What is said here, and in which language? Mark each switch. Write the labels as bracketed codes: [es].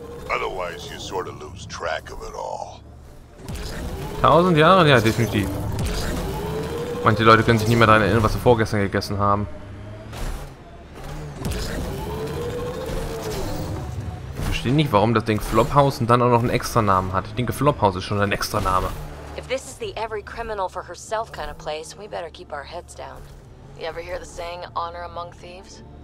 [en] Otherwise you sort of lose track of it all. [de] 1000 Jahre, ja, definitiv. Manche Leute können sich nicht mehr daran erinnern, was sie vorgestern gegessen haben. Ich verstehe nicht, warum das Ding Flophouse und dann auch noch einen extra Namen hat. Ich denke, Flophouse ist schon ein extra Name. [en] If this is the every criminal for herself kind of place, we better keep our heads down. You ever hear the saying, honor among thieves?